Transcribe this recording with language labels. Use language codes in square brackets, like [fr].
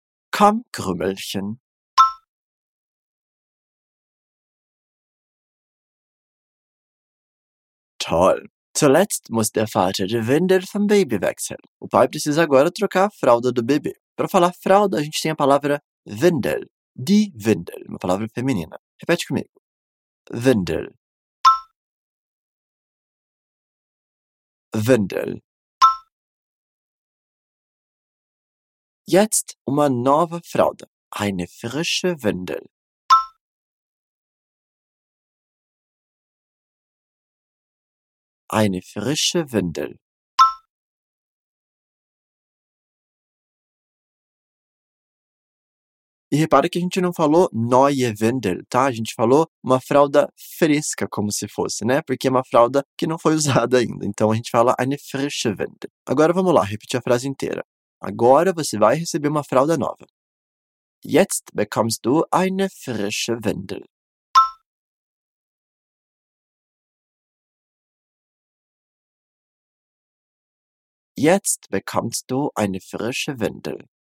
[de] Komm, Krümelchen. Toll. Zuletzt muss der Vater die Windel vom Baby wechseln. [pt] O pai precisa agora trocar a fralda do bebê. Para falar fralda, a gente tem a palavra Windel. Die Windel, uma palavra feminina. Repete comigo. Windel. [de] Windel. Jetzt [pt] uma nova fralda. [de] Eine frische Windel. Eine frische Windel. [pt] E repara que a gente não falou [de] neue Windel, [pt] tá? A gente falou uma fralda fresca, como se fosse, né? Porque é uma fralda que não foi usada ainda. Então, a gente fala [de] eine frische Windel. [pt] Agora, vamos lá, repetir a frase inteira. Agora, você vai receber uma fralda nova. [de] Jetzt bekommst du eine frische Windel. Jetzt bekommst du eine frische Windel.